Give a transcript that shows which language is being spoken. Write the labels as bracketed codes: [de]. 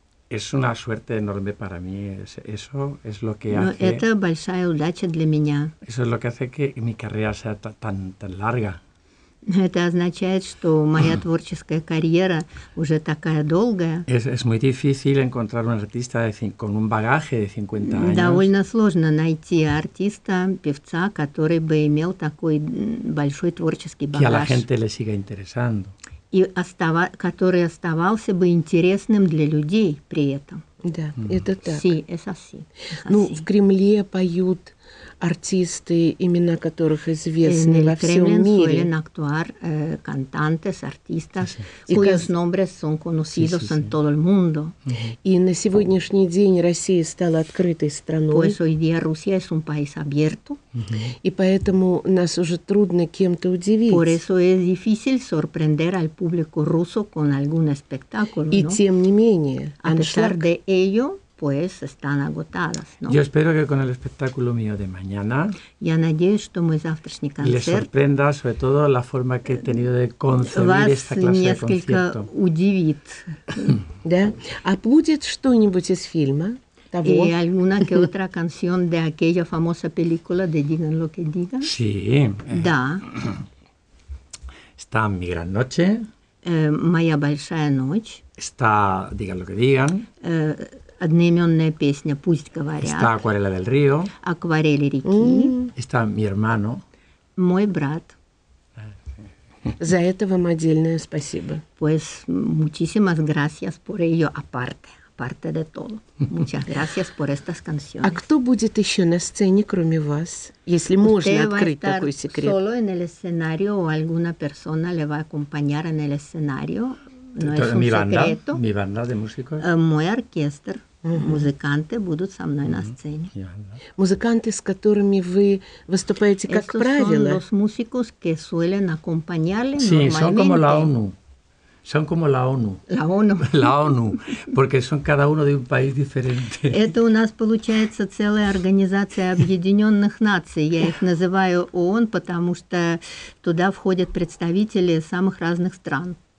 [es] Es una suerte enorme para mí. Eso es lo que no, hace. [ru] Это большая удача для меня. [es] Eso es lo que hace que mi carrera sea tan larga. [ru] Это означает, что моя творческая карьера уже такая долгая. [es] Es muy difícil encontrar un artista con un bagaje de 50 años. [ru] Довольно сложно найти артиста, певца, который бы имел такой большой творческий багаж. [es] Que a la gente le siga interesando. [ru] И который оставался бы интересным для людей при этом. Да, mm-hmm. Это так. [es] Sí, es así. [ru] Ну, в Кремле поют артисты, имена которых известны во всем мире. [es] En el Kremlin suelen actuar cantantes, artistas, cuyos nombres son conocidos en todo el mundo. [ru] И на сегодняшний день Россия стала открытой страной. [es] Pues hoy día Rusia es un país abierto. [ru] И поэтому нас уже трудно кем-то удивить. [es] Por eso es difícil sorprender al público ruso con algún espectáculo. [ru] И тем не менее, [es] a pesar de ello, pues están agotadas, ¿no? Yo espero que con el espectáculo mío de mañana. [ru] Я надеюсь, что мой завтрашний концерт. [es] Les sorprenda, sobre todo la forma que he tenido de concebir esta clase de concierto. [ru] Вас несколько удивит, да? А будет что-нибудь из фильма? Того? [es] И alguna que otra canción de aquella famosa película de Digan lo que digan? Sí. [ru] Да. [es] Está mi gran noche. [ru] Моя большая ночь. [es] Está Digan lo que digan. [ru] Одноименная песня «Пусть говорят». [es] Está «Акварели del Río». [ru] «Акварели реки». [es] Está «Mi hermano». [ru] Мой брат. За это вам отдельное спасибо. [es] Pues muchísimas gracias por ello, aparte de todo. Muchas gracias por estas canciones. [ru] А кто будет еще на сцене, кроме вас, если можно открыть такой секрет? [es] Solo en el escenario o alguna persona le va a acompañar en el escenario. No es un secreto. Mi banda de músicos. [ru] Мой оркестр. Uh-huh. Музыканты будут со мной uh-huh. на сцене. [en] Yeah, [ru] да. Музыканты, с которыми вы выступаете, как [es] Estos [ru] правило? [es] Estos son los músicos que suelen acompañarle sí, normalmente. Son como la ONU. Son como la ONU. La ONU. La ONU. Porque son cada uno de un país diferente. [ru] Это у нас получается целая организация объединенных наций. Я их называю ООН, потому что туда входят представители самых разных стран.